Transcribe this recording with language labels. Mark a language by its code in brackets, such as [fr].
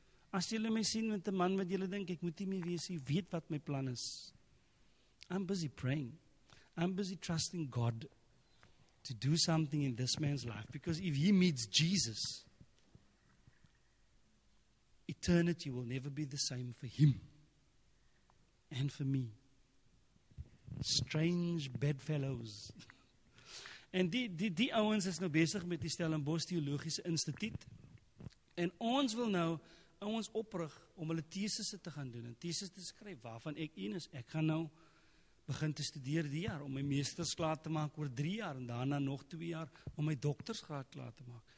[af] As julle my sien met 'n man wat julle dink ek moet nie meer wees, jy weet wat my plan is. [en] I'm busy praying. I'm busy trusting God to do something in this man's life. Because if he meets Jesus, eternity will never be the same for him and for me. Strange bedfellows. [af] En die ouens is nou besig met die Stellenbosch Theologiese Instituut. En ons wil nou ouens oprig om hulle thesis te gaan doen. En thesis te skryf waarvan ek een is. Ek gaan nou begin te studeer die jaar om my meesters klaar te maak oor 3 jaar. En daarna nog 2 jaar om my doktersgraad klaar te maak.